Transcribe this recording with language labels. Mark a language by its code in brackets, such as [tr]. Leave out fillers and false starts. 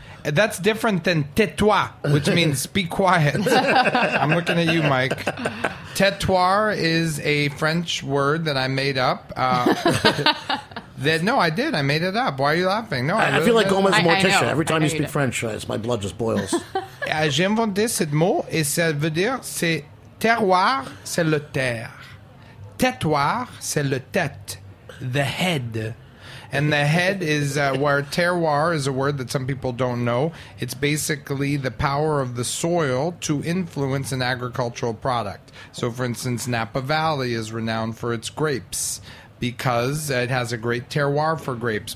[en] That's different than tétoi, which means be quiet. I'm looking at you, Mike. Tétoir is a French word that I made up. I made it up. Why are you laughing? No, I feel like Gomez Morticia. Every time you speak French, my blood just boils. [fr] J'ai inventé ce mot, et ça veut dire c'est terroir, c'est le terre. Tétoir, c'est le tête, [en] the head. And the head is where terroir is a word that some people don't know. It's basically the power of the soil to influence an agricultural product. So, for instance, Napa Valley is renowned for its grapes because it has a great terroir for grapes.